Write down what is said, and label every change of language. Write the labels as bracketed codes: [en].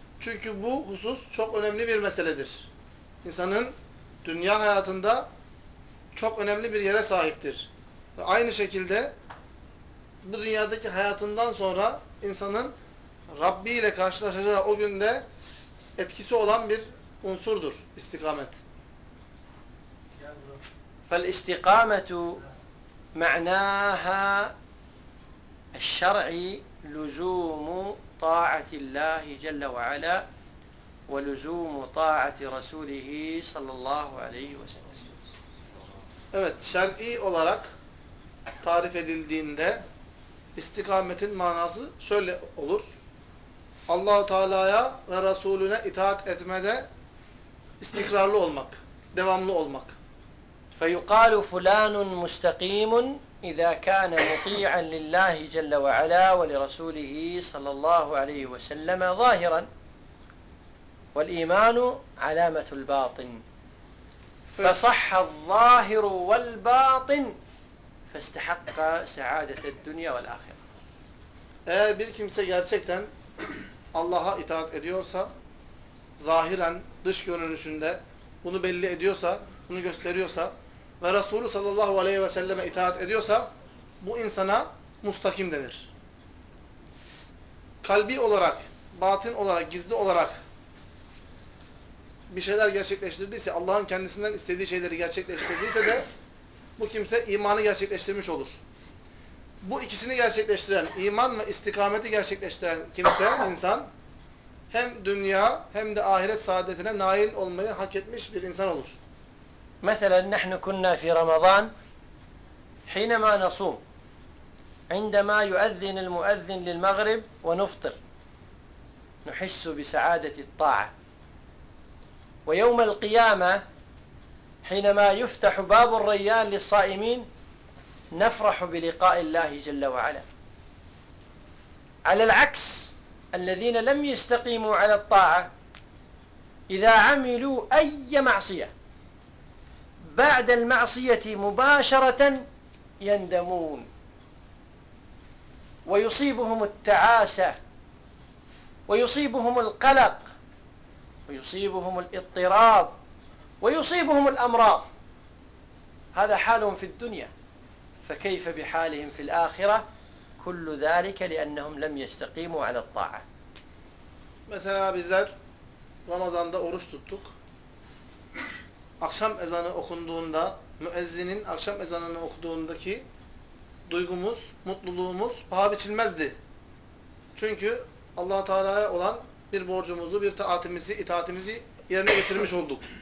[tr] Çünkü bu husus çok önemli bir meseledir. İnsanın dünya hayatında çok önemli bir yere sahiptir. Ve aynı şekilde bu dünyadaki hayatından sonra insanın Rabbi ile karşılaşacağı o günde etkisi olan bir unsurdur istikamet. [ar] فالاستقامة معناها الشرعي لزوم طاعة الله جل وعلا ولزوم طاعة رسوله صلى الله عليه وسلم. [tr] Evet, şer'i olarak tarif edildiğinde istikametin manası şöyle olur. Allah-u Teala'ya ve Resulüne itaat etmede istikrarlı olmak, devamlı olmak. فيقال فلان مستقيم إذا كان مطيعا لله جل وعلا ولرسوله صلى الله عليه وسلم ظاهرا والإيمان علامة الباطن فصح الظاهر والباطن فاستحق سعادة الدنيا والآخرة. Eğer bir kimse gerçekten Allah'a itaat ediyorsa, zahiren dış görünüşünde bunu belli ediyorsa, bunu gösteriyorsa ve Resulü sallallahu aleyhi ve selleme itaat ediyorsa bu insana mustakim denir. Kalbi olarak, batın olarak, gizli olarak bir şeyler gerçekleştirdiyse, Allah'ın kendisinden istediği şeyleri gerçekleştirdiyse de bu kimse imanı gerçekleştirmiş olur. Bu ikisini gerçekleştiren, iman ve istikameti gerçekleştiren kimse, insan hem dünya hem de ahiret saadetine nail olmayı hak etmiş bir insan olur. [ar] مثلا نحن كنا في رمضان حينما نصوم عندما يؤذن المؤذن للمغرب ونفطر نحس بسعادة الطاعة ويوم القيامة حينما يفتح باب الريان للصائمين نفرح بلقاء الله جل وعلا. على العكس الذين لم يستقيموا على الطاعة إذا عملوا أي معصية بعد المعصية مباشرة يندمون ويصيبهم التعاسة ويصيبهم القلق ويصيبهم الاضطراب ويصيبهم الأمراض. هذا حالهم في الدنيا فكيف بحالهم في الآخرة؟ كل ذلك لأنهم لم يستقيموا على الطاعة. مثلا [tr] bizler Ramazan'da oruç tuttuk. Akşam ezanı okunduğunda, müezzinin akşam ezanını okuduğundaki duygumuz, mutluluğumuz paha biçilmezdi. Çünkü Allah-u Teala'ya olan bir borcumuzu, bir taatimizi, itaatimizi yerine getirmiş olduk.